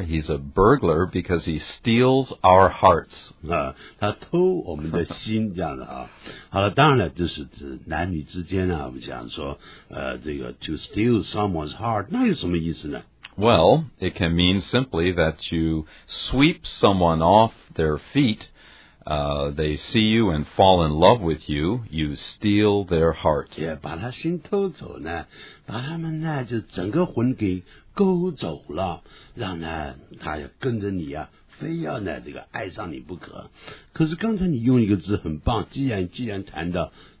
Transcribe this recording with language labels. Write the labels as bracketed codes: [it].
[en] He's a burglar because he steals our hearts. [zh] 他偷我们的心这样的啊。好了，当然了，就是男女之间啊，我们讲说，这个 [en] to steal someone's heart, [zh] 那有什么意思呢？ [en] Well, it can mean simply that you sweep someone off their feet. They see you and fall in love with you. You steal their heart. [zh] Yeah, 把他心偷走呢，把他们呢就整个魂给勾走了，让呢他要跟着你啊，非要呢这个爱上你不可。可是刚才你用一个字很棒，既然谈到。